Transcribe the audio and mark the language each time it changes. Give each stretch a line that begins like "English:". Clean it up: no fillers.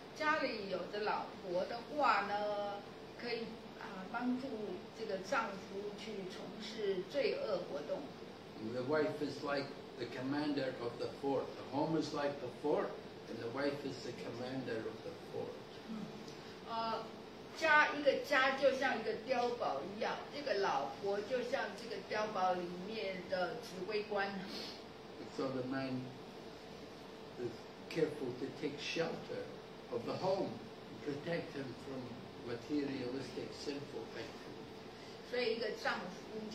Chinese: 家里有的老婆的话呢，可以。帮助这个丈夫去从事罪恶活动。
English: The wife is like the commander of the fort. The home is like the fort, and the wife is the commander of the fort.
Chinese: 一个家就像一个碉堡一样，这个老婆就像这个碉堡里面的指挥官。
English: So the man is careful to take shelter of the home, protect him from materialistic, sinful activities.